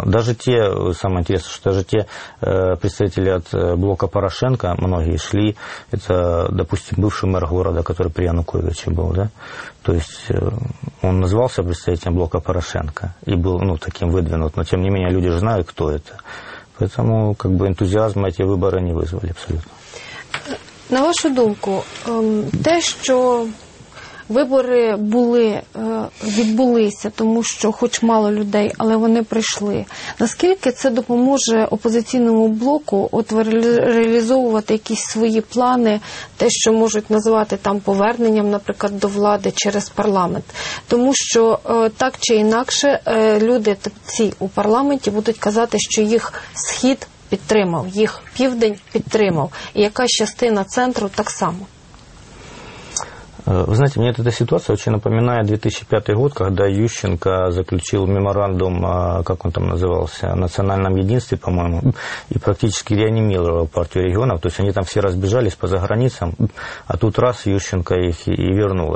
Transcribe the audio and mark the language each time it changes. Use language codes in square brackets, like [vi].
[ru] Даже те, самое интересное, что даже те представители от блока Порошенко, многие шли, это, допустим, бывший мэр города, который при Януковиче был, да? То есть он назывался представителем блока Порошенко и был, ну, таким выдвинут, но тем не менее люди же знают, кто это. Поэтому как бы энтузиазма эти выборы не вызвали абсолютно. [uk] На вашу думку, те, что... вибори були, відбулися, тому що хоч мало людей, але вони прийшли. Наскільки це допоможе опозиційному блоку от реалізовувати якісь свої плани, те, що можуть назвати там поверненням, наприклад, до влади через парламент? Тому що так чи інакше люди ці у парламенті будуть казати, що їх схід підтримав, їх південь підтримав, і якась частина центру так само. [ru] Вы знаете, мне эта ситуация очень напоминает 2005 год, когда Ющенко заключил меморандум, как он там назывался, о национальном единстве, по-моему, и практически реанимировал партию регионов. То есть они там все разбежались по заграницам, а тут раз Ющенко их и вернул.